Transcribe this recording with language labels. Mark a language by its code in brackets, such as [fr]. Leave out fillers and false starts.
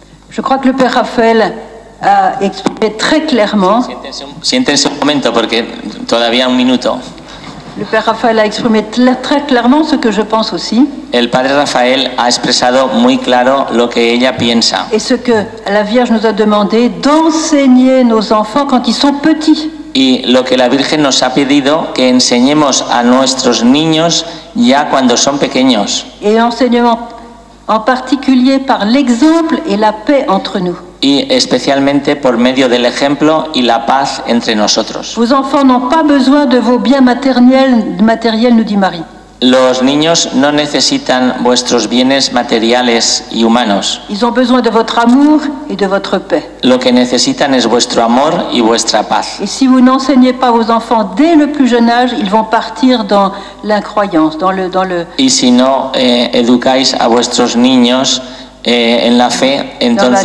[fr] Je crois que le père Raphaël a exprimé très clairement. [es] Siéntense un momento, porque todavía un minuto. [fr] Le père Raphaël a exprimé très clairement ce que je pense aussi. [es] El padre Rafael ha expresado muy claro lo que ella piensa. [fr] Et ce que la Vierge nous a demandé d'enseigner nos enfants quand ils sont petits. [es] Y lo que la Virgen nos ha pedido que enseñemos a nuestros niños ya cuando son pequeños. Y enseñamos en particular por el ejemplo y la paz entre nosotros. Y especialmente por medio del ejemplo y la paz entre nosotros. [fr] Vos enfants n'ont pas besoin de vos biens materiels, nous dit Marie. [es] Los niños no necesitan vuestros bienes materiales y humanos. [fr] Ils ont besoin de votre amour et de votre paix. [es] Lo que necesitan es vuestro amor y vuestra paz. [fr] Et si vous n'enseignez pas vos enfants dès le plus jeune âge, ils vont partir dans l'incroyance, dans le. [es] Y si no educáis a vuestros niños en la fe, entonces.